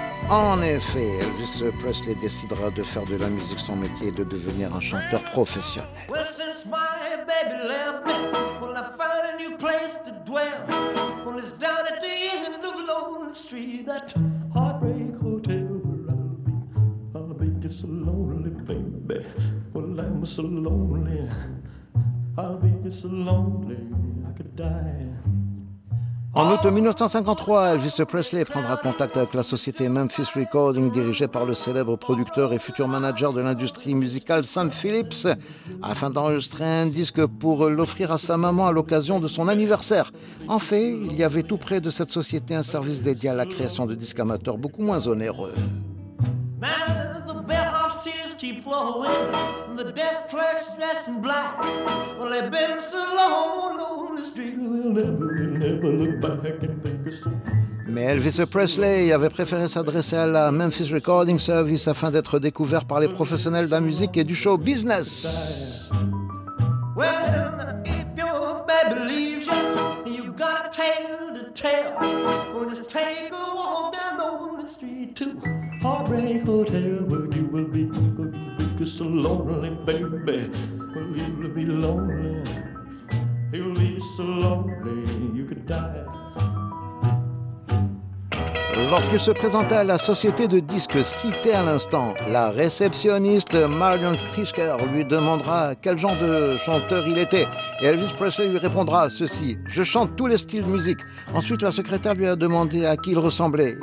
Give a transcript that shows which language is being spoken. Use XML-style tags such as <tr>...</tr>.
<fr>En effet, Elvis Presley décidera de faire de la musique son métier et de devenir un chanteur professionnel.</fr> <en>Well, since my baby left me, well, I found a new place to dwell. Well, it's down at the end of Lonely Street, that heartbreak hotel where I'll be. I'll be just so lonely, baby. Well, I'm so lonely. I'll be just so lonely, I could die.</en> <fr>En août 1953, Elvis Presley prendra contact avec la société Memphis Recording, dirigée par le célèbre producteur et futur manager de l'industrie musicale Sam Phillips, afin d'enregistrer un disque pour l'offrir à sa maman à l'occasion de son anniversaire. En fait, il y avait tout près de cette société un service dédié à la création de disques amateurs beaucoup moins onéreux. Mais Elvis Presley avait préféré s'adresser à la Memphis Recording Service afin d'être découvert par les professionnels de la musique et du show business.</fr> <en>Well, if your baby leaves you, you got a tale to tell. Well, just take a walk down Lonely Street to Heartbreak Hotel, where you will be. You're so lonely, baby. Well, you will be lonely. You'll be so lonely, you could die.</en> <fr>Lorsqu'il se présenta à la société de disques citée à l'instant, la réceptionniste Marion Krischer lui demandera quel genre de chanteur il était. Et Elvis Presley lui répondra ceci: « Je chante tous les styles de musique. » Ensuite, la secrétaire lui a demandé à qui il ressemblait.</fr>